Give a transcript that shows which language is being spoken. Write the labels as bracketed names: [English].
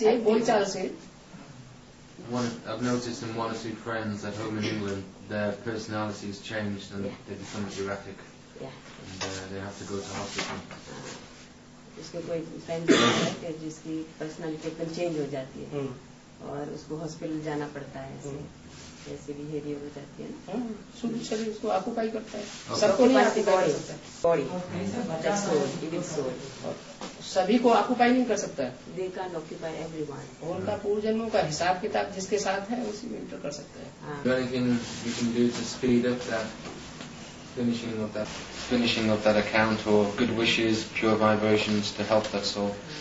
[English] I've noticed in one or two friends at home in England, their personality has changed and they become erratic. Yeah. And they have to go to hospital. [Hindi] उसके कोई sign नहीं है कि जिसकी personality एकदम change हो जाती है और उसको हॉस्पिटल जाना पड़ता है, ऐसे बिहेवियर हो जाती है ना, शरीर उसको ऑक्यूपाई करता है, सबको सभी को ऑक्यूपाई नहीं कर सकता, [English] they can occupy everyone, [Hindi] उनका पूर्व जन्मों का हिसाब किताब जिसके साथ है उसी में इंटर कर सकता है। [English] Finishing of that account or good wishes, pure vibrations to help that soul.